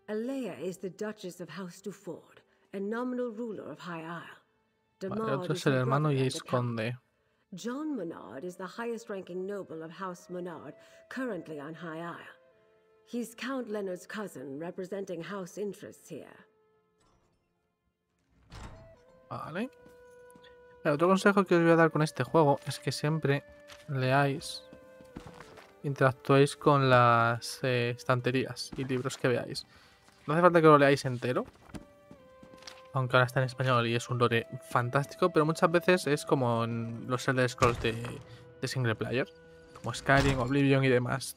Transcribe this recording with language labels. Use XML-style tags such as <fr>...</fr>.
<en>Alea is the Duchess of House Dufort, a nominal ruler of High Isle.</en> <es>Vale, otro es el hermano y esconde.</es> <en>John Menard is the highest ranking noble of House Menard, currently on High Isle. He's Count Leonard's cousin, representing House interests here.</en> <es>Vale. El otro consejo que os voy a dar con este juego es que siempre leáis, interactuéis con las estanterías y libros que veáis. No hace falta que lo leáis entero, aunque ahora está en español y es un lore fantástico, pero muchas veces es como en los Elder Scrolls de single player, como Skyrim, Oblivion y demás.</es>